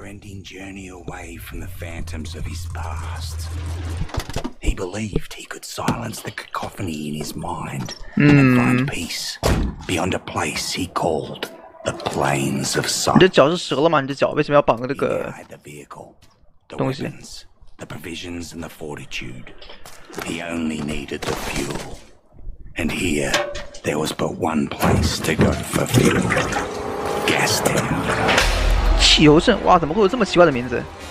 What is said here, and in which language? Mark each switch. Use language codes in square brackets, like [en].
[en] Ending journey away from the phantoms of his past. He believed he could silence the cacophony in his mind and find peace beyond a place he called the plains of sun. [zh] 你的脚是折了吗？你的脚为什么要绑个这个东西？ [en] The provisions and the fortitude. He only needed the fuel. And here there was but one place to go for fuel. Gaston. [zh] 汽油镇，哇，怎么会有这么奇怪的名字？